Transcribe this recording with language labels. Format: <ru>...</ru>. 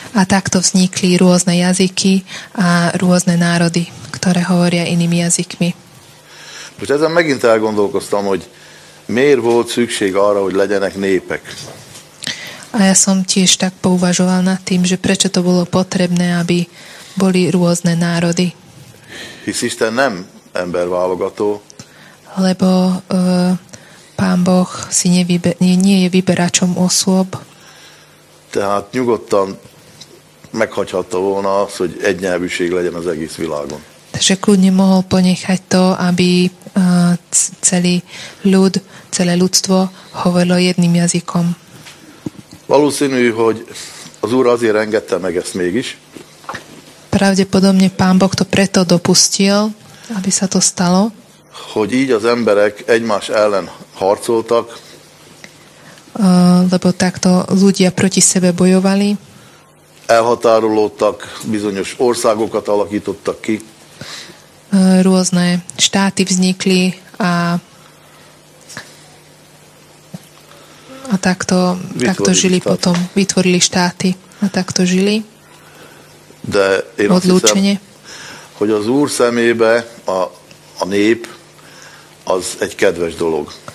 <sk>A takto vznikli rôzne jazyky a rôzne národy, ktoré hovoria inými jazykmi.</sk> <hu>Most ezen megint elgondolkoztam, hogy miért volt szükség arra, hogy legyenek népek.</hu> <sk>A ja som tiež tak pouvažoval nad tým, že prečo to bolo potrebné, aby boli rôzne národy.</sk> <hu>Hisz Isten nem emberválogató.</hu> <sk>Lebo Pán Boh si nie je vyberačom osôb.</sk> <hu>Tehát nyugodtan meghagyhatta volna azt, hogy egynyelvűség legyen az egész világon.</hu> <sk>Takže kľudne mohol ponechať to, aby celý ľud, celé ľudstvo hovorilo jedným jazykom.</sk> <hu>Valószínű, hogy az Úr azért engedte meg ezt mégis.</hu> <sk>Pravdepodobne Pán Boh to preto dopustil, aby sa to stalo.</sk> <hu>Hogy így az emberek egymás ellen harcoltak.</hu> <sk>Lebo takto ľudia proti sebe bojovali.</sk> <hu>Elhatárolódtak, bizonyos országokat alakítottak ki.</hu> <sk>Rôzne štáty vznikli a takto žili štát. Potom. Vytvorili štáty a takto žili.</sk> <hu>De én</hu> <sk>odlúčenie.</sk> <hu>Azt hiszem, hogy az Úr szemébe a nép az egy kedves dolog.</hu>